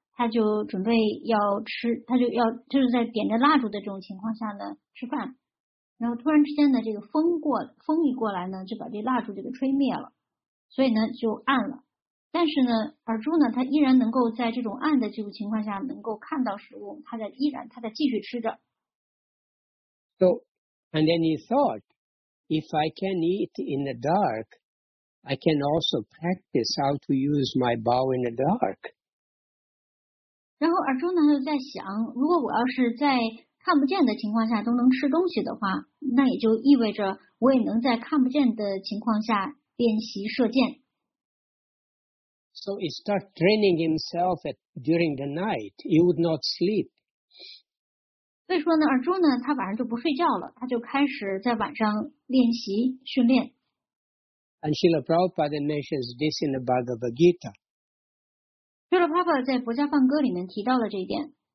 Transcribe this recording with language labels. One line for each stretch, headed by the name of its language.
Chinese: 他就准备要吃，他就要就是在点着蜡烛的这种情况下呢吃饭，然后突然之间呢，这个风一过来呢，就把这蜡烛就给吹灭了，所以呢就暗了。但是呢，尔朱呢，他依然能够在这种暗的这种情况下能够看到食物，他在继续吃着。
English: So, and then he thought, if I can eat in the dark, I can also practice how to use my bow in the dark.
Chinese: 然后尔朱呢就在想，如果我要是在看不见的情况下都能吃东西的话，那也就意味着我也能在看不见的情况下练习射箭。
English: So he started training himself during the night. He would not sleep.
Chinese: 所以说呢，尔朱呢他晚上就不睡觉了，他就开始在晚上练习训练。
English: And Srila Prabhupada mentions this in the Bhagavad Gita.
Chinese: 就是爸爸在《佛家梵歌》里面提到了这一点。